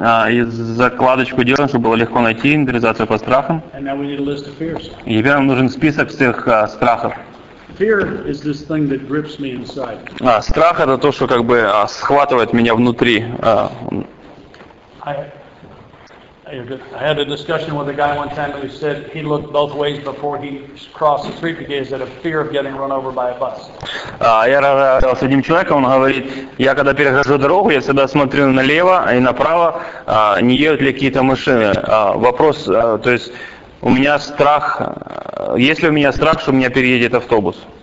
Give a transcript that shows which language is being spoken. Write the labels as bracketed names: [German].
[Russian] И закладочку делаем, чтобы было легко найти инвентаризацию по страхам. И теперь нам нужен список всех страхов. [English] Fear is this thing that grips me inside. [Russian] Страх это то, что схватывает меня внутри. [English] I had a discussion with a guy one time who said he looked both ways before he crossed the street because he had a fear of getting run over by a bus. [Russian] Я разговаривал с одним человеком, он говорит, я когда перехожу дорогу, я всегда смотрю налево и направо, не едут ли какие-то машины. Вопрос, то есть у меня страх. Есть ли у меня страх, что меня переедет автобус?